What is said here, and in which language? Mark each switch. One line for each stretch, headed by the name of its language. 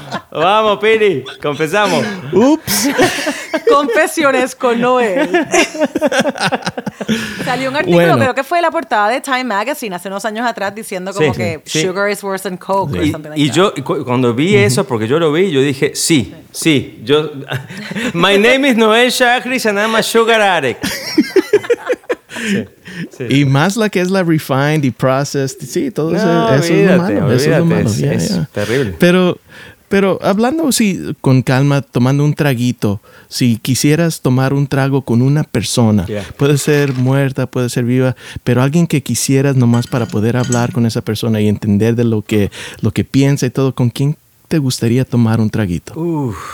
Spanish: Vamos, Pili. Confesamos. Ups. Confesiones con Noel. Salió un artículo, creo que fue la portada de Time Magazine hace unos años atrás, diciendo como
English: sugar is worse than coke. Or something like
Spanish: y
English: that.
Spanish: Yo cuando vi eso, porque yo lo vi, yo dije, sí.
English: Yo, my name is Noel Schajris and I'm a sugar addict.
Spanish: Y más la que es la refined y processed. Sí, todo no, eso, olvídate, eso es lo malo. Es terrible. Pero hablando así con calma, tomando un traguito, si quisieras tomar un trago con una persona, puede ser muerta, puede ser viva, pero alguien que quisieras nomás para poder hablar con esa persona y entender de lo que piensa y todo, ¿con quién te gustaría tomar un traguito?